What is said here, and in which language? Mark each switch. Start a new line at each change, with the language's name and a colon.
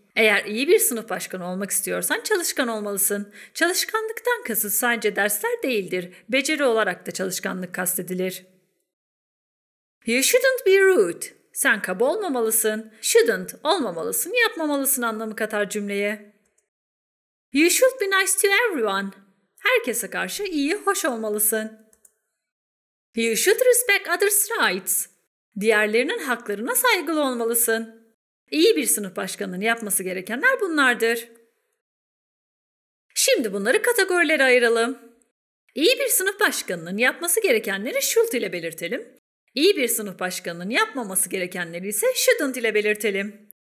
Turkish: Eğer iyi bir sınıf başkanı olmak istiyorsan çalışkan olmalısın. Çalışkanlıktan kasıt sadece dersler değildir. Beceri olarak da çalışkanlık kastedilir.
English: You shouldn't be rude.
Turkish: Sen kaba olmamalısın. Shouldn't, olmamalısın, yapmamalısın anlamı katar cümleye.
English: You should be nice to everyone.
Turkish: Herkese karşı iyi, hoş olmalısın.
English: You should respect others' rights.
Turkish: Diğerlerinin haklarına saygılı olmalısın. İyi bir sınıf başkanının yapması gerekenler bunlardır. Şimdi bunları kategorilere ayıralım. İyi bir sınıf başkanının yapması gerekenleri should ile belirtelim. İyi bir sınıf başkanının yapmaması gerekenleri ise shouldn't ile belirtelim.